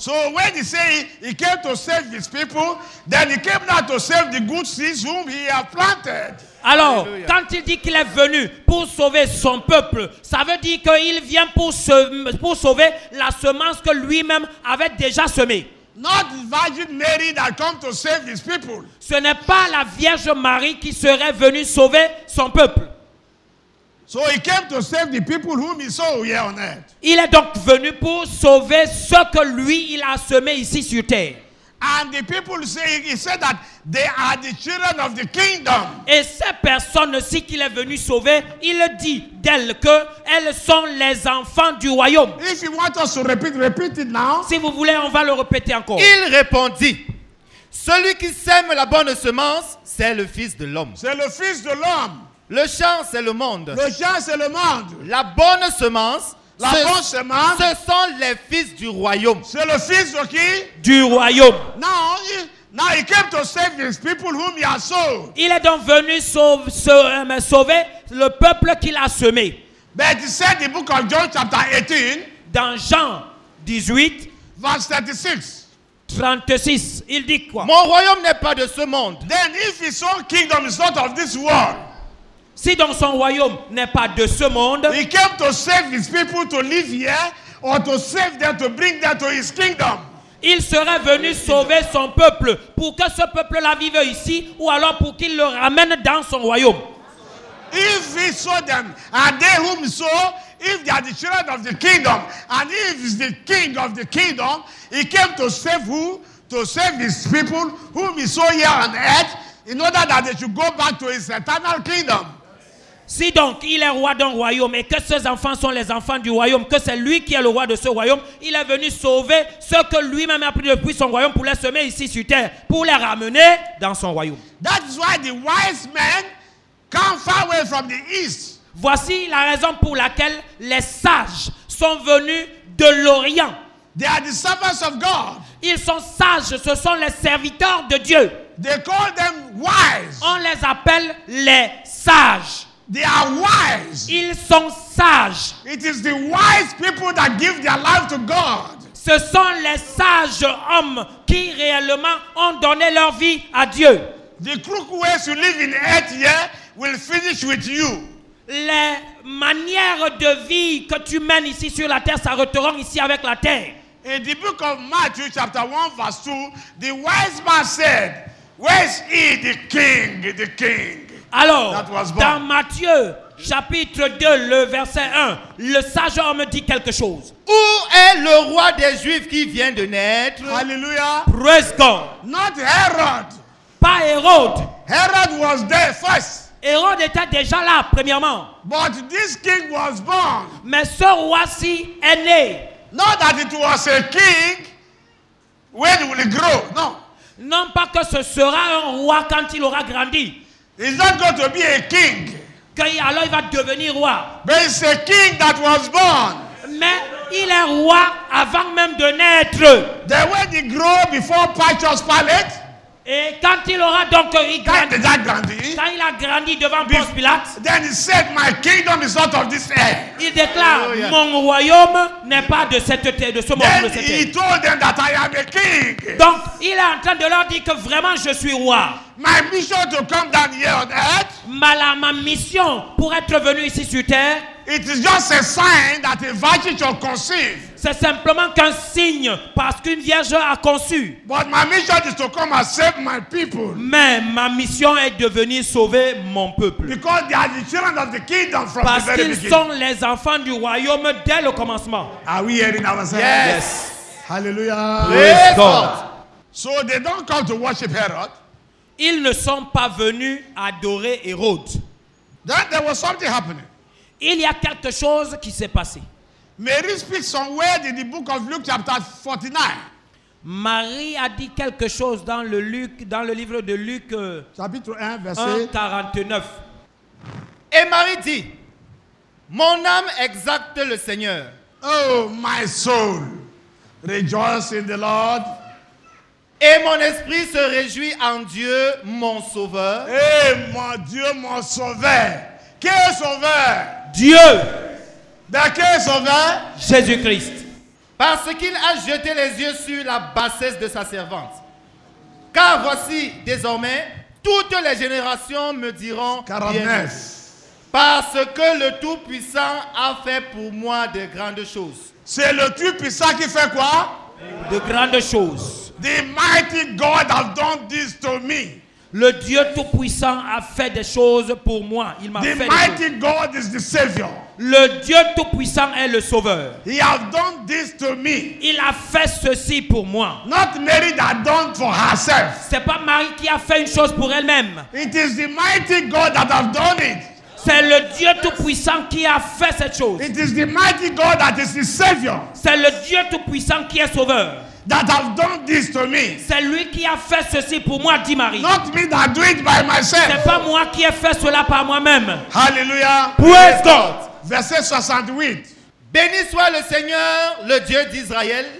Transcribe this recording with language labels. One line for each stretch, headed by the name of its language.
English: So when he said he came to save his people, then he came not to save the good seeds whom he had planted.
French: Alors, Alleluia. Quand il dit qu'il est venu pour sauver son peuple, ça veut dire qu'il vient pour sauver la semence que lui-même avait déjà semée.
English: Not the Virgin Mary that come to save his people.
French: Ce n'est pas la Vierge Marie qui serait venue sauver son peuple.
English: So he came to save the people whom he sowed here on earth.
French: Il est donc venu pour sauver ce que lui il a semé ici sur terre.
English: And the people say, he said that they are the children of the kingdom.
French: Et ces personnes-ci qu'il est venu sauver, il dit d'elles que elles sont les enfants du royaume.
English: If you want us to repeat, repeat it now.
French: Si vous voulez, on va le répéter encore. Il répondit, celui qui sème la bonne semence, c'est le Fils de l'homme. C'est le Fils de l'homme. Le champ, c'est le monde. Le champ, c'est le monde. La bonne semence, la bonne semence, ce sont les fils du royaume. C'est le fils de qui? Du royaume.
English: Now he came to save his people whom he has sowed.
French: Il est donc venu sauver le peuple qu'il a semé.
English: But he said in the book of John chapter 18,
French: dans Jean 18,
English: verse 36,
French: 36, il dit quoi? Mon royaume n'est pas de ce monde.
English: Then if his own kingdom is not of this world,
French: si donc son royaume n'est pas de ce monde,
English: he came to save his people to live here or to save them to bring them to his kingdom.
French: Il serait venu sauver son peuple pour que ce peuple la vive ici ou alors pour qu'il le ramène dans son royaume.
English: If he saw them and they whom so, if they are the children of the kingdom and if he's the king of the kingdom, he came to save who? To save his people whom he saw here on earth, in order that they should go back to his eternal kingdom.
French: Si donc il est roi d'un royaume et que ses enfants sont les enfants du royaume, que c'est lui qui est le roi de ce royaume, il est venu sauver ceux que lui-même a pris depuis son royaume pour les semer ici sur terre, pour les ramener dans son royaume.
English: That's why the wise men come far away from the east.
French: Voici la raison pour laquelle les sages sont venus de l'Orient.
English: They are the servants of God.
French: Ils sont sages, ce sont les serviteurs de Dieu.
English: They call them wise.
French: On les appelle les sages.
English: They are wise.
French: Ils sont sages.
English: It is the wise people that give their life to God.
French: Ce sont les sages hommes qui réellement ont donné leur vie à Dieu.
English: The crook ways you live in earth here will finish with you.
French: Les manières de vie que tu mènes ici sur la terre s'arrêteront ici avec la terre.
English: In the book of Matthew chapter 1 verse 2, the wise man said, where is he, the king, the king?
French: Alors, dans Matthieu, chapitre 2, le verset 1, le sage homme dit quelque chose. Où est le roi des Juifs qui vient de naître? Alléluia.
English: Praise God. Not Herod.
French: Pas Hérode.
English: Herod was there first.
French: Hérode était déjà là, premièrement.
English: But this king was born.
French: Mais ce roi-ci est né.
English: Not that it was a king. When will he grow? No.
French: Non, pas que ce sera un roi quand il aura grandi.
English: He's not going to be a king.
French: Alors il va devenir roi.
English: But it's a king that was born.
French: Mais il est roi avant même de naître.
English: The way he grow before Pontius Pilate.
French: Et quand il aura donc grandi. Quand il a grandi devant Pontius Pilate.
English: Then he said, my kingdom is not of this earth.
French: Il déclare,
English: oh, yeah.
French: Mon royaume n'est pas de cette terre, de ce monde.
English: Then he told them that I am a king.
French: Donc il est en train de leur dire que vraiment je suis roi.
English: My mission to come down here on earth.
French: Ma mission pour être venu ici sur terre.
English: It is just a sign that a virgin shall conceive.
French: C'est simplement qu'un signe parce qu'une vierge a conçu.
English: But my mission is to come and save my people.
French: Mais ma mission est de venir sauver mon peuple.
English: Because they are the children of the kingdom from
French: parce
English: the very
French: qu'ils
English: beginning.
French: Sont les enfants du royaume dès le commencement.
English: Are we hearing ourselves? Yes. Hallelujah. Praise God. So they don't come to worship Herod.
French: Ils ne sont pas venus adorer Hérode.
English: Then there was something happening.
French: Il y a quelque chose qui s'est passé.
English: Mary speaks some word in the book of Luke chapter 49.
French: Marie a dit quelque chose dans le Luc, dans le livre de Luc chapitre 1 verset 49. Et Marie dit: mon âme exalte le Seigneur.
English: Oh my soul, rejoice in the Lord.
French: Et mon esprit se réjouit en Dieu, mon sauveur. Eh mon Dieu, mon sauveur. Quel sauveur? Dieu. De quel sauveur? Jésus-Christ. Parce qu'il a jeté les yeux sur la bassesse de sa servante. Car voici, désormais, toutes les générations me diront 49. Parce que le Tout-Puissant a fait pour moi de grandes choses. C'est le Tout-Puissant qui fait quoi? De grandes choses.
English: The mighty God has done this to me.
French: Le Dieu Tout-Puissant a fait des choses pour moi. Il m'a
English: the
French: fait
English: mighty God is the Savior.
French: Le Dieu Tout-Puissant est le Sauveur.
English: He has done this to me.
French: Il a fait ceci pour moi.
English: Not Mary that done for herself.
French: C'est pas Marie qui a fait une chose pour elle-même.
English: It is the mighty God that has done it.
French: C'est le Dieu Tout-Puissant qui a fait cette chose.
English: It is the mighty God that is the Savior.
French: C'est le Dieu Tout-Puissant qui est Sauveur.
English: That have done this to me.
French: C'est lui qui a fait ceci pour moi, dit Marie.
English: Not me that do it by myself.
French: C'est pas moi qui ai fait cela par moi-même.
English: Hallelujah. Praise God.
French: Verset 68. Béni soit le Seigneur, le Dieu d'Israël.